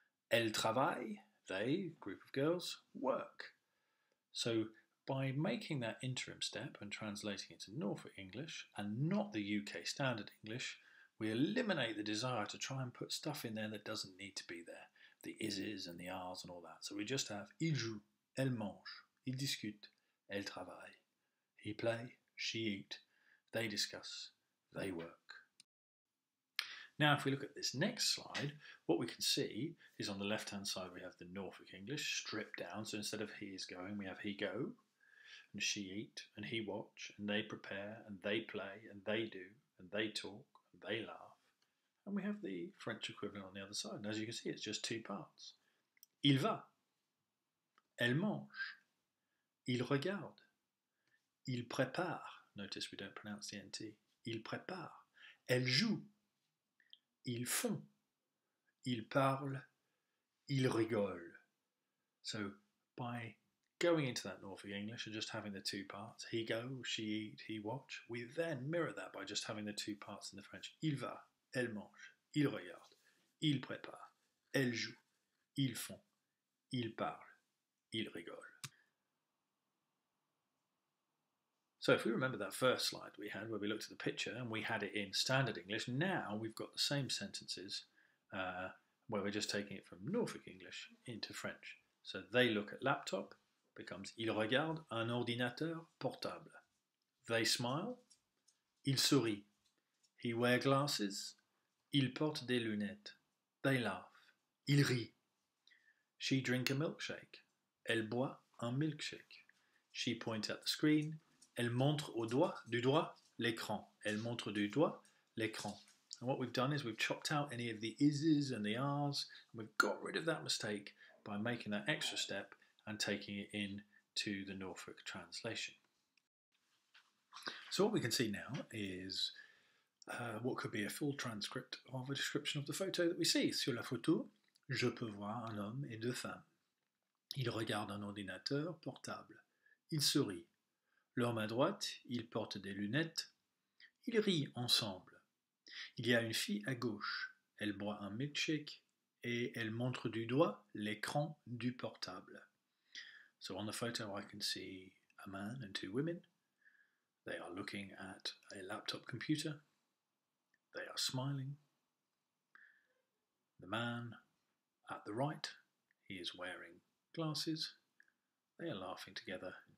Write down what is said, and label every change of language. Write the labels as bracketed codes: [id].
[fr] Elle travaille, [en] they, group of girls, work. So by making that interim step and translating it to Norfolk English and not the UK standard English, we eliminate the desire to try and put stuff in there that doesn't need to be there. The is's and the are's and all that. So we just have, [fr] il joue, elle mange, il discute, elle travaille. [en] He play, she eat, they discuss, they work. Now, if we look at this next slide, what we can see is on the left-hand side, we have the Norfolk English stripped down. So instead of he is going, we have he go, and she eat, and he watch, and they prepare, and they play, and they do, and they talk. They laugh. And we have the French equivalent on the other side. And as you can see, it's just two parts. [fr] Il va. Elle mange. Il regarde. Il prépare. [en] Notice we don't pronounce the NT. [fr] Il prépare. Elle joue. Ils font. Il parle. Il rigole. [en] So by going into that Norfolk English and just having the two parts, he go, she eat, he watch, we then mirror that by just having the two parts in the French. [fr] Il va, elle mange, il regarde, il prépare, elle joue, ils font, il parle, il rigole. [en] So if we remember that first slide we had where we looked at the picture and we had it in standard English, now we've got the same sentences where we're just taking it from Norfolk English into French. So they look at laptop, becomes [fr] il regarde un ordinateur portable. [en] They smile, [fr] il sourit. [en] He wears glasses, [fr] il porte des lunettes. [en] They laugh, [fr] il rit. [en] She drinks a milkshake, [fr] elle boit un milkshake. [en] She points at the screen, [fr] elle montre au doigt, du doigt, l'écran. Elle montre du doigt, l'écran. [en] And what we've done is we've chopped out any of the is's and the are's, and we've got rid of that mistake by making that extra step and taking it in to the Norfolk translation. So what we can see now is what could be a full transcript of a description of the photo that we see. [fr] Sur la photo, je peux voir un homme et deux femmes. Il regarde un ordinateur portable. Il sourit. L'homme à droite, il porte des lunettes. Ils rient ensemble. Il y a une fille à gauche. Elle boit un milkshake et elle montre du doigt l'écran du portable. [en] So on the photo, I can see a man and two women. They are looking at a laptop computer. They are smiling. The man at the right, he is wearing glasses. They are laughing together.